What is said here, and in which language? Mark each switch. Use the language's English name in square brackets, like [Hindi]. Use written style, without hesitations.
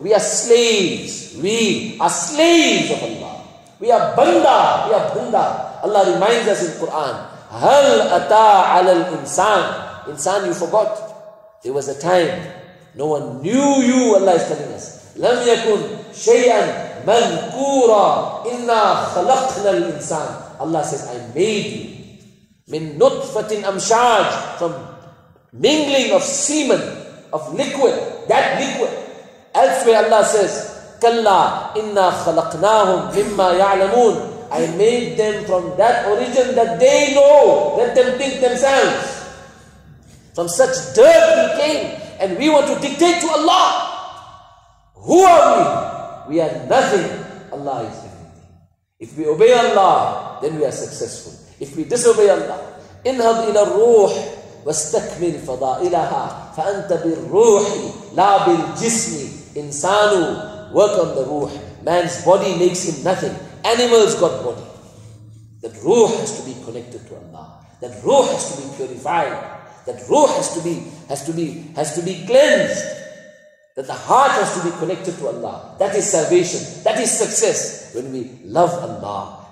[English] We are slaves. We are slaves of Allah. We are banda. We are banda. Allah reminds us in Quran, [Arabic] هَلْ أَتَى عَلَى الْإِنسَانِ. [English] Insan, you forgot. There was a time No one knew you, Allah is telling us. [Arabic] لَمْ يَكُنْ شَيْئًا مَذْكُورًا إِنَّا خَلَقْنَا الْإِنسَانِ [English] Allah says, I made you. [Arabic] مِنْ نُطْفَةٍ أَمْشَاجِ [English] From mingling of semen, of liquid, that liquid. Elsewhere Allah says, [Arabic] كَلَّا إِنَّا خَلَقْنَاهُمْ مِمَّا يَعْلَمُونَ [English] I made them from that origin that they know, let them think themselves. From such dirt we came, and we want to dictate to Allah. Who are we? We are nothing. Allah is everything. If we obey Allah, then we are successful. If we disobey Allah, [Arabic] انهض إلى الروح واستكمل فضائلها فأنت بالروح لا بالجسم إنسان [English] work on the ruh. Man's body makes him nothing. Animals got body. That ruh has to be connected to Allah. That ruh has to be purified. That ruh has to be cleansed. That the heart has to be connected to Allah. That is salvation. That is success. When we love Allah.